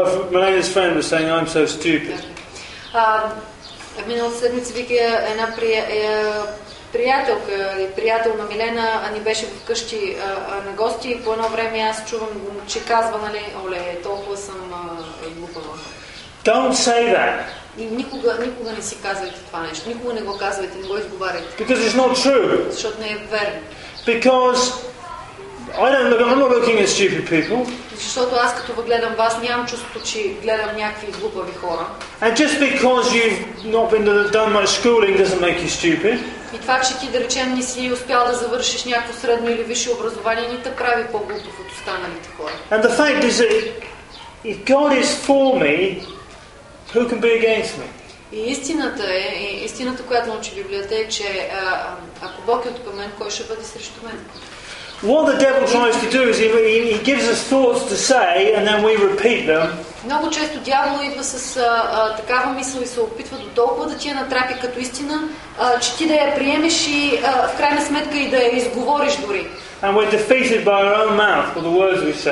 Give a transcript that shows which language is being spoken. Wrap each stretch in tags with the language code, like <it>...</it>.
<en>Melena's friend was saying, I'm so stupid.</en> <bg>Миналата седмица вика една приятелка или приятел на Милена, а ни беше вкъщи на гости и по едно време аз чувам, че казва, нали, оле, толкова съм глупа.</bg> <en>Don't say that.</en> <bg>Никога не си казвайте това нещо. Никога не го казвайте, не го изговаряйте.</bg> <en>Because it's not true.</en> <bg>Защото не е верно.</bg> <en>Because I'm not looking at stupid people.</en> <bg>Защото аз като гледам вас, нямам чувството, че гледам някакви глупави хора.</bg> <en>And just because you've not been done much schooling doesn't make you stupid.</en> <bg>И това, че ти, да речем, не си успял да завършиш някакво средно или висше образование, не те прави по-глупав от останалите хора.</bg> <en>And the fact is that if God is for me, who can be against me?</en> <bg>И истината, която научи Библията, е, че ако Бог е от към мен, кой ще бъде срещу мен?</bg> <en>What the devil tries to do is he gives us thoughts to say and then we repeat them.</en> <bg>Много често дяволът идва с такава мисъл и се опитва до толкова да ти я натрапи като истина, че ти да я приемеш и в крайна сметка и да я изговориш дори.</bg> <en>And we're defeated by our own mouth for the words we say.</en>